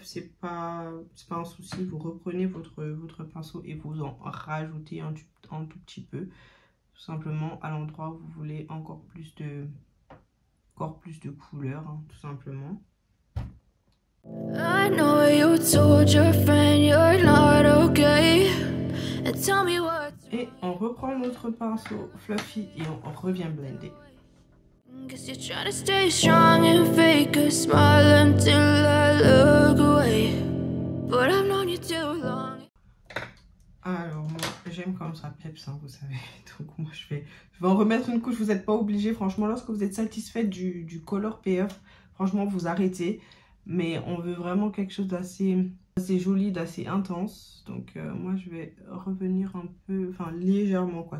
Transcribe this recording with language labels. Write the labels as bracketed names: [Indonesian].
[French] C'est pas un souci. Vous reprenez votre pinceau et vous en rajoutez un tout petit peu. Tout simplement, à l'endroit où vous voulez encore plus de couleur, hein, tout simplement. [English] I know you told your friend you're not okay. And tell me what's... [French] Et on reprend notre pinceau fluffy et on revient blender. [English] Cause you're trying to stay strong and fake a smile until I look away. But I've known you too long. [French] Alors moi j'aime quand ça peps, hein, vous savez. Donc moi je vais en remettre une couche. Vous n'êtes pas obligé, franchement, lorsque vous êtes satisfait du color payoff, franchement vous arrêtez. Mais on veut vraiment quelque chose d'assez joli, d'assez intense. Donc moi je vais revenir un peu, enfin légèrement quoi.